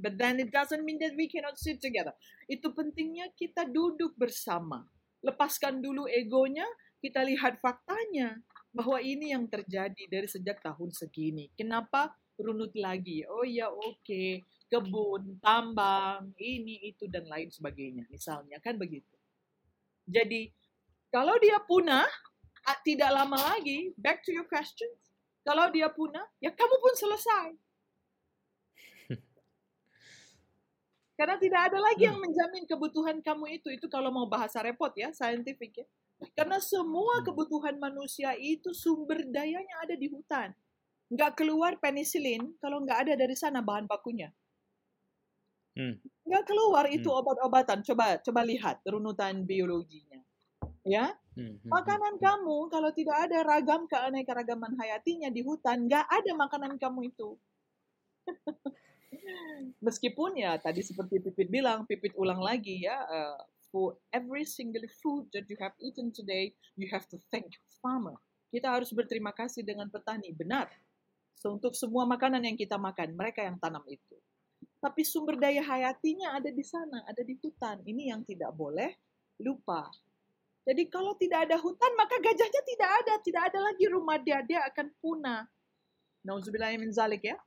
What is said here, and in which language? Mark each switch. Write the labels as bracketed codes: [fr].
[en] But then it doesn't mean that we cannot sit together. [id] Itu pentingnya kita duduk bersama. Lepaskan dulu egonya, kita lihat faktanya. Bahwa ini yang terjadi dari sejak tahun segini. Kenapa runut lagi? Oh ya, oke. Kebun, tambang, ini, itu, dan lain sebagainya. Misalnya, kan begitu. Jadi, kalau dia punah, tidak lama lagi, [en] back to your questions. [id] Kalau dia punah, ya kamu pun selesai. Karena tidak ada lagi yang menjamin kebutuhan kamu itu. Itu kalau mau bahasa repot ya, scientific ya. Karena semua kebutuhan manusia itu sumber dayanya ada di hutan. Nggak keluar penisilin kalau nggak ada dari sana bahan bakunya. Nggak keluar itu obat-obatan. Coba lihat runutan biologinya. Ya? Makanan kamu kalau tidak ada ragam keanekaragaman hayatinya di hutan, nggak ada makanan kamu itu. Meskipun ya tadi seperti Pipit bilang, Pipit ulang lagi ya, [en] for every single food that you have eaten today, you have to thank farmer. [id] Kita harus berterima kasih dengan petani, benar. So, untuk semua makanan yang kita makan, mereka yang tanam itu. Tapi sumber daya hayatinya ada di sana, ada di hutan. Ini yang tidak boleh lupa. Jadi kalau tidak ada hutan, maka gajahnya tidak ada. Tidak ada lagi rumah dia, dia akan punah. [ar] Nauzubillahi min zalik [id] ya.